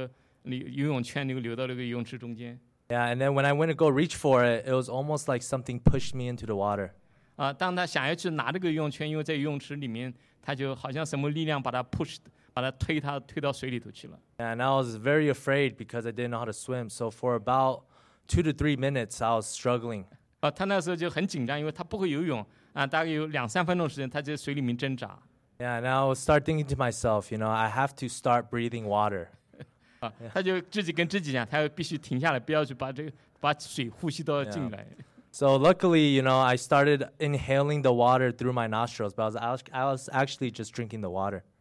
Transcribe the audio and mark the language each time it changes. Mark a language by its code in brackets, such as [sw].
[zh] 他觉得好像别人会笑话，那个把那个游泳圈那个留到那个游泳池中间。 [en] Yeah, and then when I went to go reach for it, it was almost like something pushed me into the water. [zh] 当他想要去拿这个游泳圈，因为在游泳池里面，他就好像什么力量把他 pushed， 把他推到水里头去了。 [en] And I was very afraid because I didn't know how to swim. So for about 2 to 3 minutes, I was struggling. [zh] 他那时候就很紧张，因为他不会游泳，大概有两三分钟时间，他在水里面挣扎。 [en] Yeah, and I would start thinking to myself, you know, I have to start breathing water. [zh] 他就自己跟自己讲，他要必须停下来，不要去把水呼吸到进来。 [en] So luckily, you know, I started inhaling the water through my nostrils, but I was actually just drinking the water.